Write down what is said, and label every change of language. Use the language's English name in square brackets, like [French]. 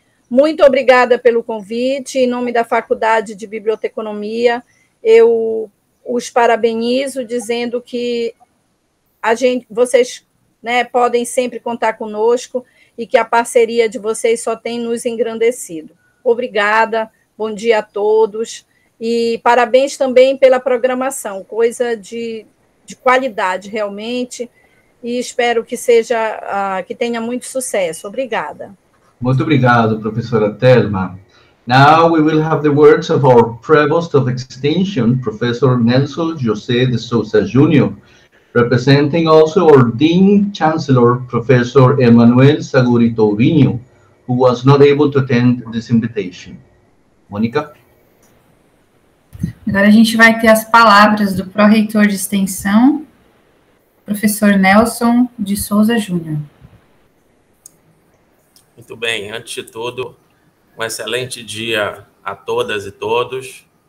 [Portuguese] Muito obrigada pelo convite, em nome da Faculdade de Biblioteconomia, eu os parabenizo, dizendo que vocês, né, podem sempre contar conosco e que a parceria de vocês só tem nos engrandecido. Obrigada, bom dia a todos, e parabéns também pela programação, coisa de qualidade realmente, e espero que seja, que tenha muito sucesso. Obrigada. Muito obrigado, professora Thelma. [English] Now we will have the words of our Provost of Extension, Professor Nelson José de Souza Jr., representing also our Dean Chancellor, Professor Emmanuel Saguri Tourinho, who was not able to attend this invitation. Mônica? [Portuguese] Agora a gente vai ter as palavras do Pró-Reitor de Extensão, Professor Nelson de Souza Jr. Muito bem, antes de tudo, um excelente dia a todas e todos.